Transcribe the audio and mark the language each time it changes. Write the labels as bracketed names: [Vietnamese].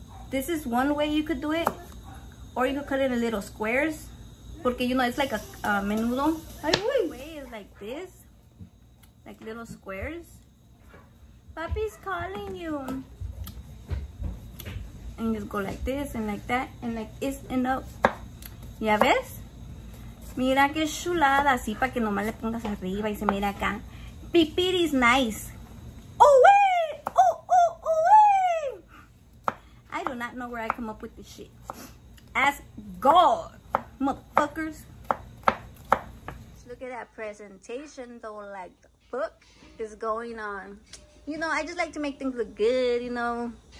[English] This is one way you could do it. Or you could cut it in little squares. Porque, you know, it's like a menudo. The way is like this. Like little squares. Papi's calling you. And you just go like this and like that. And like it's enough. [Spanish] ¿Ya ves? Mira que chulada. Así para que nomás le pongas arriba y se mira acá. [English] Pipir is nice. Oh, wait. Oh, oh, oh, wait. I do not know where I come up with this shit. Ask God, motherfuckers. Look at that presentation, though. Like, the fuck is going on? You know, I just like to make things look good, you know.